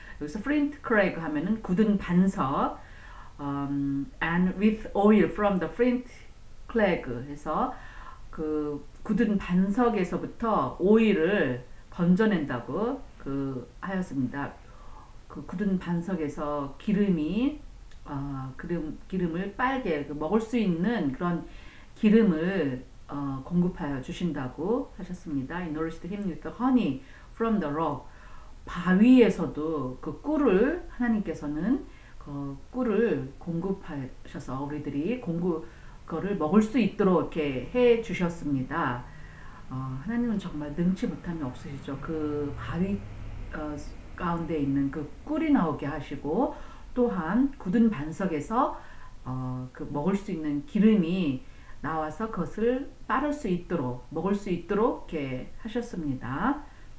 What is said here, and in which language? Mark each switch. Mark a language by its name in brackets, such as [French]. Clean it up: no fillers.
[Korean] 여기서 flint crag 하면은 굳은 반석 [English] and with oil from the flint crag [Korean] 해서 그 굳은 반석에서부터 오일을 건져낸다고 그 하였습니다. 그 굳은 반석에서 기름이 기름을 빨게 먹을 수 있는 그런 기름을 공급하여 주신다고 하셨습니다. [English] He nourished him with the honey from the rock. [Korean] 바위에서도 그 꿀을 하나님께서는 그 꿀을 공급하셔서 우리들이 그거를 먹을 수 있도록 이렇게 해 주셨습니다. 하나님은 정말 능치 못함이 없으시죠. 그 바위 가운데 있는 그 꿀이 나오게 하시고 또한 굳은 반석에서 그 먹을 수 있는 기름이 나와서 그것을 빠를 수 있도록 먹을 수 있도록 이렇게 하셨습니다.